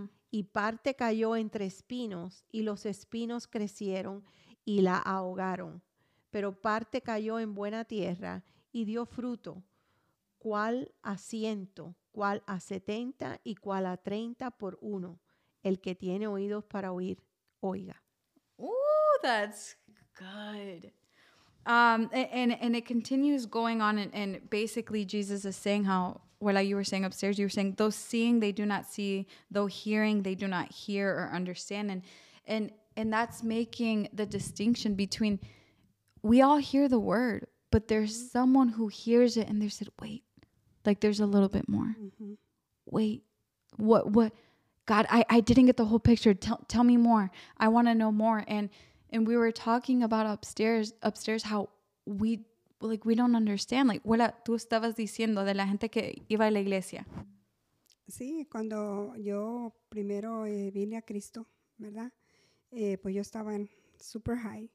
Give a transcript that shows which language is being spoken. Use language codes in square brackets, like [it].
[es] Y parte cayó entre espinos, y los espinos crecieron y la ahogaron. Pero parte cayó en buena tierra y dio fruto, cual a ciento, cual a 70 y cual a 30 por uno. El que tiene oídos para oír, oiga. [en] Ooh, that's good. And it continues going on, and basically Jesus is saying how, well, like you were saying upstairs, you were saying, though seeing, they do not see, though hearing, they do not hear or understand. And that's making the distinction between, we all hear the word, but there's someone who hears it and they said, wait, like there's a little bit more. Mm-hmm. Wait, what? God, I didn't get the whole picture. Tell me more. I want to know more. And we were talking about upstairs, how we don't understand. [es] Like, hola, tú estabas diciendo de la gente que iba a la iglesia. Sí, cuando yo primero vine a Cristo, ¿verdad? Pues yo estaba en super high.